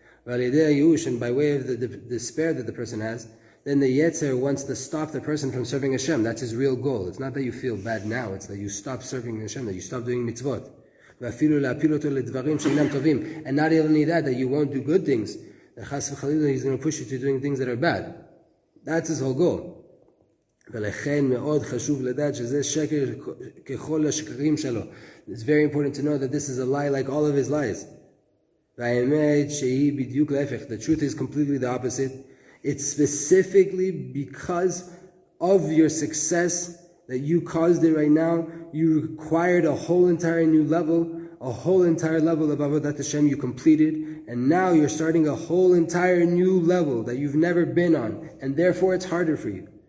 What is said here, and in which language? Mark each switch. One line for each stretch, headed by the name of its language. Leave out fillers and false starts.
English: And by way of the despair that the person has, then the Yetzer wants to stop the person from serving Hashem. That's his real goal. It's not that you feel bad now, it's that you stop serving Hashem, that you stop doing mitzvot. And not only that you won't do good things, he's going to push you to doing things that are bad. That's his whole goal.
Hebrew: ולכן מאוד חשוב לדעת שזה שקר ככל השקרים שלו.
English: It's very important to know that this is a lie like all of his lies.
Hebrew: והאמת שהיא בדיוק להפך.
English: The truth is completely the opposite. It's specifically because of your success that you caused it right now. You required a whole entire new level, a whole entire level of Avodat Hashem you completed, and now you're starting a whole entire new level that you've never been on, and therefore it's harder for you.